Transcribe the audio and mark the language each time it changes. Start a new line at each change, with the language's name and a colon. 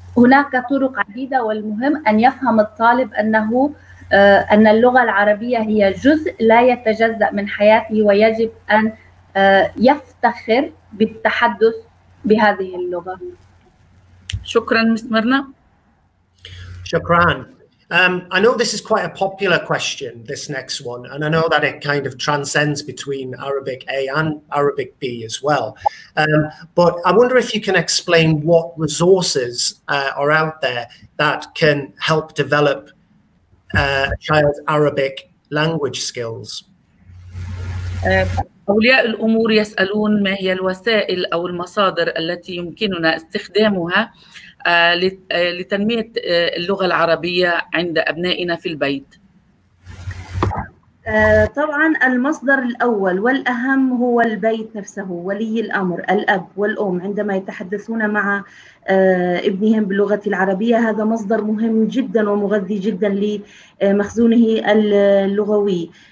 Arabic: هناك طرق عديدة، والمهم أن يفهم الطالب أن اللغة العربية هي جزء لا يتجزأ من حياته، ويجب أن يفتخر بالتحدث بهذه اللغة. شكراً مسمرنا. شكراً.
English: I know this is quite a popular question, this next one, and I know that it kind of transcends between Arabic A and Arabic B as well. But I wonder if you can explain what resources are out there that can help develop a child's Arabic language skills.
Arabic: أولياء الأمور يسألون ما هي الوسائل أو المصادر التي يمكننا استخدامها لتنمية اللغة العربية عند أبنائنا في البيت. طبعاً المصدر الأول والأهم هو البيت نفسه، ولي الأمر، الأب والأم، عندما يتحدثون مع ابنهم باللغة العربية هذا مصدر مهم جداً ومغذي جداً لمخزونه اللغوي.